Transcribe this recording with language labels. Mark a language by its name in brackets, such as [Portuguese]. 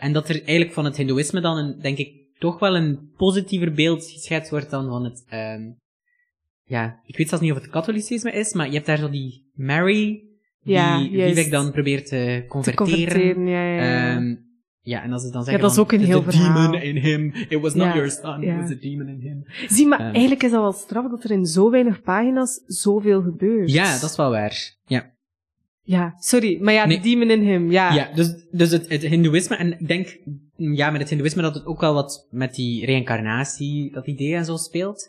[Dutch] En dat er eigenlijk van het hindoeïsme dan, denk ik, toch wel een positiever beeld geschetst wordt dan van het, ik weet zelfs niet of het katholicisme is, maar je hebt daar zo die Mary, Vivek dan probeert te converteren. Te converteren, en als ze dan zeggen, dat is ook een heel verhaal. [English] Demon in him, it was not your son, it was a demon in him. [Dutch] Zie, maar eigenlijk is dat wel straf dat er in zo weinig pagina's zoveel gebeurt. Ja, dat is wel waar, ja. Ja, sorry, maar ja, nee. De demon in hem, ja. Ja, dus het hindoeïsme, en ik denk, ja, met het hindoeïsme dat het ook wel wat met die reïncarnatie, dat idee en zo speelt.